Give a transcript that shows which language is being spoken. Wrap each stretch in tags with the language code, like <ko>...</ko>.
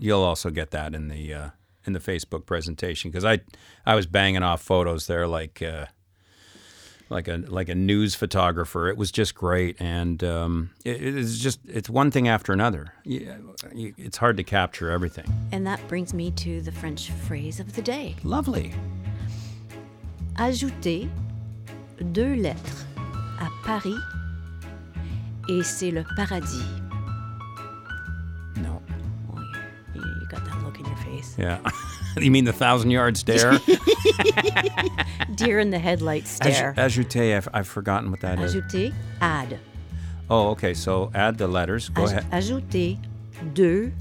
<en>You'll also get that in the Facebook presentation, because I was banging off photos there like a news photographer. It was just great, and it's one thing after another. It's hard to capture everything. And that brings me to the French phrase of the day. Lovely.</en> <fr>Ajoutez 2 lettres à Paris et c'est le paradis.</fr> <en>No. Well, you got that look in your face. Yeah. You mean the 1,000-yard stare? Deer in the headlights stare. Ajoutez, I've forgotten what that</en> <fr>ajoutez,</fr> <en>is.</en> <fr>Ajoutez,</fr> <en>add. Oh, okay, so add the letters. Go ahead.</en> <fr>Ajoutez 2.</fr>